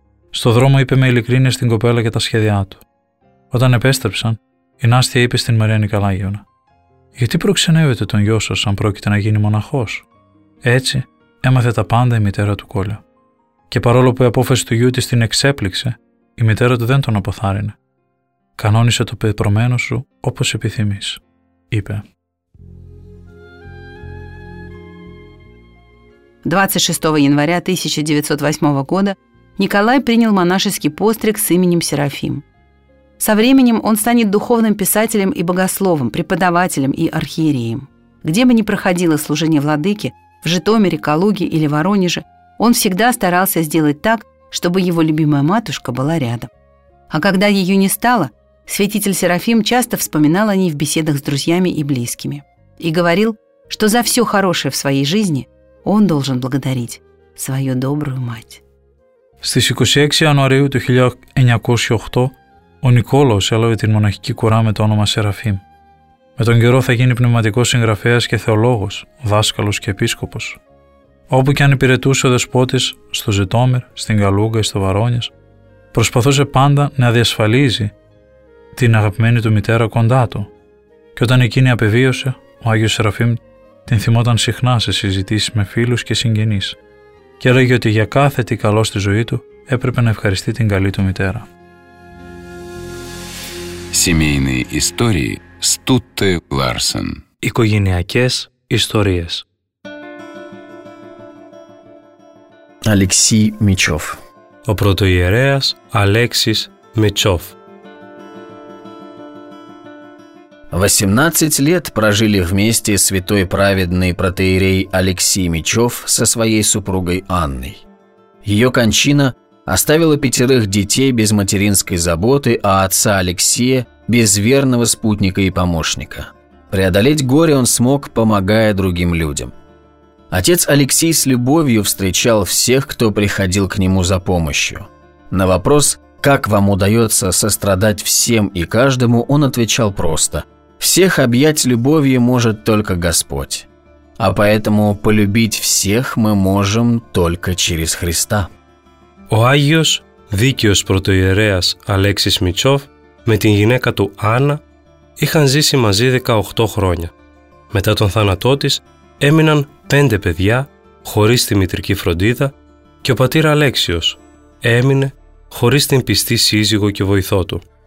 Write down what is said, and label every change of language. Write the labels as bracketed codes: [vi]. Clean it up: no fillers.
[el] Στο δρόμο είπε με ειλικρίνεια στην κοπέλα για τα σχέδιά του. Όταν επέστρεψαν, η Νάστια είπε στην Μαρία Νικολάγευνα: «Γιατί προξενεύεται τον γιο σας αν πρόκειται να γίνει μοναχός?» Έτσι έμαθε τα πάντα η μητέρα του Κόλια. Και παρόλο που η απόφαση του γιού της την εξέπληξε, η μητέρα του δεν τον αποθάρρυνε. «Κανόνισε το πεπρωμένο σου όπως επιθυμείς», είπε. [ru] 26 января 1908 года Николай принял монашеский постриг с именем Серафим. Со временем он станет духовным писателем и богословом, преподавателем и архиереем. Где бы ни проходило служение владыки, в Житомире, Калуге или Воронеже, он всегда старался сделать так, чтобы его любимая матушка была рядом. А когда ее не стало, Святитель Серафим часто вспоминал о ней в беседах с друзьями и близкими и говорил, что за все хорошее в своей жизни он должен благодарить свою добрую мать. [el] Στις 26 Ιανουαρίου του 1908 ο Νικόλος έλαβε την μοναχική κουρά με το όνομα Σεραφείμ. Με τον καιρό θα γίνει πνευματικός συγγραφέας και θεολόγος, δάσκαλος και επίσκοπος. Όπου και αν υπηρετούσε ο δεσπότης στο Ζητόμερ, στην Γαλούγκα ή στο Βαρόνιας, προσπαθούσε πάντα να διασφαλίζει την αγαπημένη του μητέρα κοντά του. Και όταν εκείνη απεβίωσε, ο Άγιος Σεραφείμ την θυμόταν συχνά σε συζητήσεις με φίλους και συγγενείς και έλεγε ότι για κάθε τι καλό στη ζωή του έπρεπε να ευχαριστεί την καλή του μητέρα. [ru] Семейные истории Стутте Ларсен. [el] Οικογενειακές ιστορίες. [ru] Алексей Мичев. [el] Ο πρωτοιερέας Алексис Мичев. [ru] 18 лет прожили вместе святой праведный протоиерей Алексей Мичев со своей супругой Анной. Ее кончина оставила пятерых детей без материнской заботы, а отца Алексея без верного спутника и помощника. Преодолеть горе он смог, помогая другим людям. Отец Алексей с любовью встречал всех, кто приходил к нему за помощью. На вопрос, как вам удается сострадать всем и каждому, он отвечал просто: «Всех объять любовью может только Господь. А поэтому полюбить всех мы можем только через Христа». [el] Ο Άγιος Δίκαιος Πρωτοιερέας Αλέξης Μητσόφ με την γυναίκα του Άννα είχαν ζήσει μαζί 18 χρόνια. Μετά τον θάνατό της έμειναν 5 παιδιά χωρίς τη μητρική φροντίδα και ο πατήρ Αλέξιος έμεινε χωρίς την πιστή σύζυγο και βοηθό του.